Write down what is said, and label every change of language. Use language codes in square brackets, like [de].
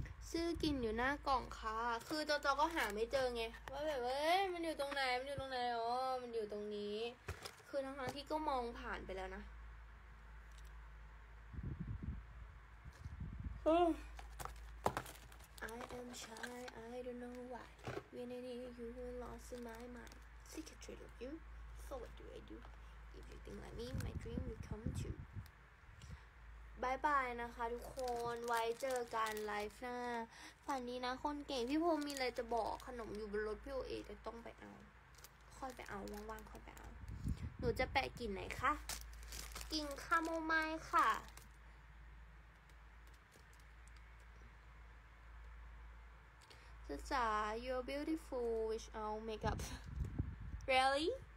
[th] ชื่อกินอยู่หน้ากล่องค่ะคือจอก็หาไม่เจอไงว่าแบบเอ้ยมันอยู่ตรงไหนมันอยู่ตรงไหนอ๋อมันอยู่ตรงนี้คือทั้งที่ก็มองผ่านไปแล้วนะ [en] I am shy I don't know why when I need you I lost in my mindSeek a trail of you. So what do I do? If you think like me, my dream will come true. Bye bye [th] นะคะทุกคนไว้เจอกันไลฟ์หน้าฝันดีนะคนเก่งพี่พงษ์มีอะไรจะบอกขนมอยู่บนรถพี่โอเอจะต้องไปเอาค่อยไปเอาว่างๆค่อยไปเอาหนูจะแปะกลิ่นไหนคะกลิ่นคาโมไมล์ค่ะจ๊ะจ๋า [en] you're beautiful with all makeupReally?